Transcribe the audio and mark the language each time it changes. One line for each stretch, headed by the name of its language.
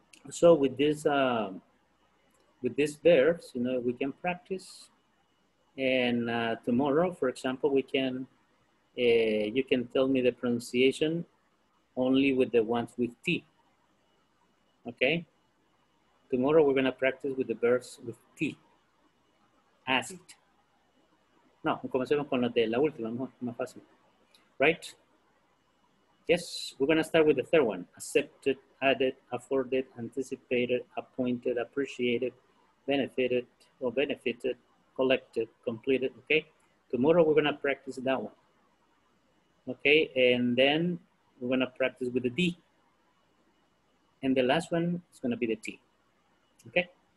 English: So with these verbs, you know, we can practice. And tomorrow, for example, we can, you can tell me the pronunciation only with the ones with T. Okay? Tomorrow we're gonna practice with the verbs with T. Asked.
Spanish: No, comencemos con los de la última, más fácil.
English: Right? Yes, we're gonna start with the third one. Accepted, added, afforded, anticipated, appointed, appreciated, benefited, or benefited, collected, completed, okay? Tomorrow we're gonna practice that one. Okay, and then we're gonna practice with the D. And the last one is gonna be the T, okay?